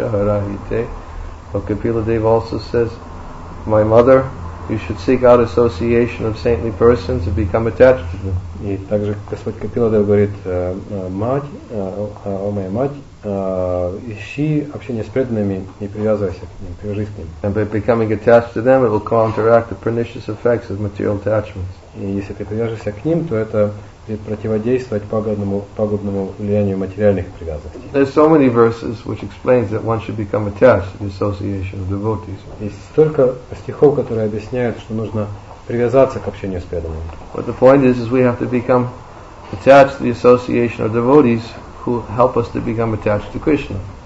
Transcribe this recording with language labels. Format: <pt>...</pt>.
<en>Кпила Дева also says, my mother, you should seek out association of saintly persons and become attached to them.</en> <ru>И также Господь Кпила Дева говорит, о моя мать, ищи общение с преданными и привязывайся к ним, привяжись к ним.</ru> <en>And by becoming attached to them, it will counteract the pernicious effects of material attachments.</en> <ru>И если ты привяжешься к ним, то это будет противодействовать пагубному влиянию материальных привязанностей.</ru> <en>There's so many verses which explains that one should become attached to the association of devotees.</en> <ru>Есть столько стихов, которые объясняют, что нужно привязаться к общению с преданными.</ru> <en>But the point is we have to become attached to the association of devotees who help us to become attached to Krishna.</en>